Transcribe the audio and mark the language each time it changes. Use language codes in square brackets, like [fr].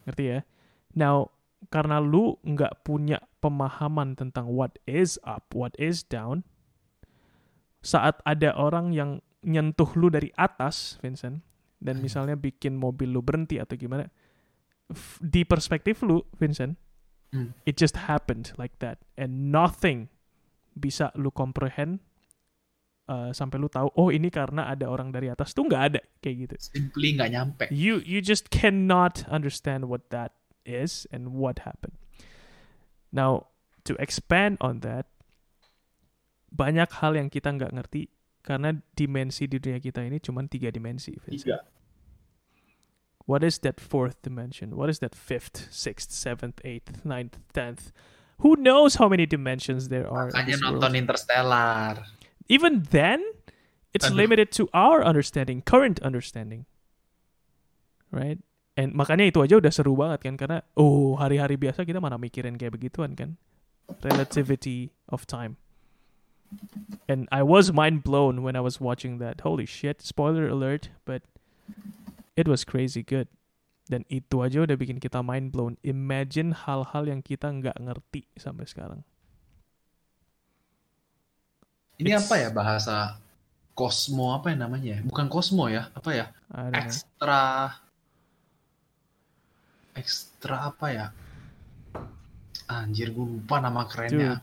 [id] Ngerti ya? Now, karena lu nggak punya pemahaman tentang [en] what is up, what is down, [id] saat ada orang yang nyentuh lu dari atas, Vincent, dan misalnya bikin mobil lu berhenti atau gimana, di perspektif lu, Vincent, [en] it just happened like that, and nothing [id] bisa lu comprehend sampai lu tahu, oh ini karena ada orang dari atas, tuh nggak ada kayak gitu. Simply nggak nyampe. [en] You just cannot understand what that is and what happened. Now to expand on that, [id] banyak hal yang kita nggak ngerti karena dimensi di dunia kita ini cuma 3 dimensi. Vincent. 3. [en] What is that fourth dimension? What is that fifth, sixth, seventh, eighth, ninth, tenth? Who knows how many dimensions there are? [id] Makanya nonton Interstellar. [en] Even then, it's limited to our understanding, current understanding. Right? [id] And makanya itu aja udah seru banget kan, karena oh, hari-hari biasa kita mana mikirin kayak begituan kan? [en] Relativity of time. And I was mind blown when I was watching that. Holy shit, spoiler alert, but it was crazy good. [id] Dan itu aja udah bikin kita mind blown. Imagine hal-hal yang kita nggak ngerti sampai sekarang. [en] Ini it's... [id] apa ya bahasa kosmo apa ya namanya? Bukan kosmo ya, apa ya? [en] Extra. [id] Extra apa ya? Anjir, gue lupa nama kerennya.